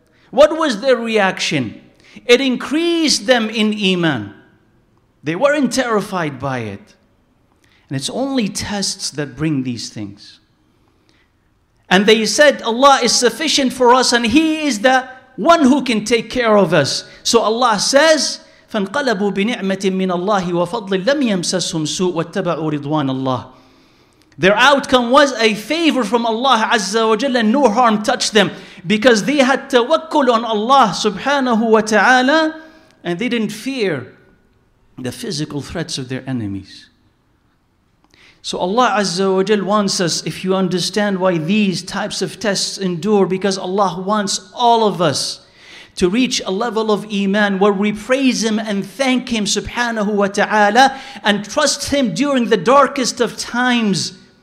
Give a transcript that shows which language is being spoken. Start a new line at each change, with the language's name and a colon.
English: What was their reaction? It increased them in iman. They weren't terrified by it. And it's only tests that bring these things. And they said, Allah is sufficient for us and He is the one who can take care of us. So Allah says,
Arabic: فَانْقَلَبُوا بِنِعْمَةٍ مِّنَ اللَّهِ وَفَضْلٍ لَمْ يَمْسَسْهُمْ سُوءٍ وَاتَّبَعُوا رِضْوَانَ اللَّهِ.
English: Their outcome was a favor from Allah Azza wa Jalla, and no harm touched them because they had tawakkul on Allah subhanahu wa ta'ala and they didn't fear the physical threats of their enemies. So Allah Azza wa Jalla wants us, if you understand why these types of tests endure, because Allah wants all of us to reach a level of iman where we praise Him and thank Him subhanahu wa ta'ala and trust Him during the darkest of times.